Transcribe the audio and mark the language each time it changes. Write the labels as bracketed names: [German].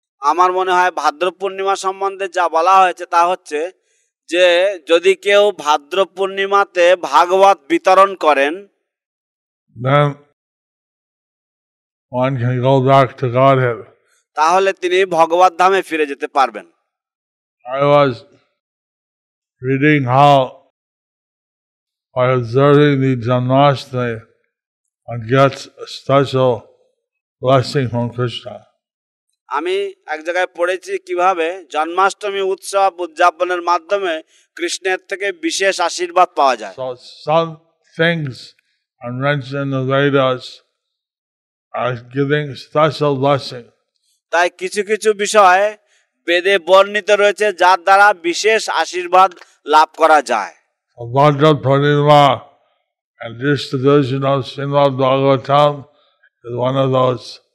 [Bangla] আমার মনে হয় ভাদ্র পূর্ণিমা সম্বন্ধে যা বলা হয়েছে তা হচ্ছে যে যদি কেউ ভাদ্র পূর্ণিমাতে ভাগবত বিতরণ করেন [English] then one can go back to Godhead. [Bangla] তাহলে তিনি ভগবত ধামে ফিরে যেতে পারবেন [English] I was reading how By observing the Janmashtami, one gets a special blessing from Krishna. [Bangla] আমি এক জায়গায় পড়েছি কিভাবে জন্মাষ্টমী উৎসব উদযাপনের মাধ্যমে কৃষ্ণের থেকে বিশেষ আশীর্বাদ পাওয়া যায়। [English] So some things are mentioned in the Vedas as giving special blessing. [Bangla] তাই কিছু কিছু বিষয় বেদে বর্ণিত রয়েছে যার দ্বারা বিশেষ আশীর্বাদ লাভ করা যায়। [English] Bhadra Purnima and distribution of Srimad Bhagavatam is one of those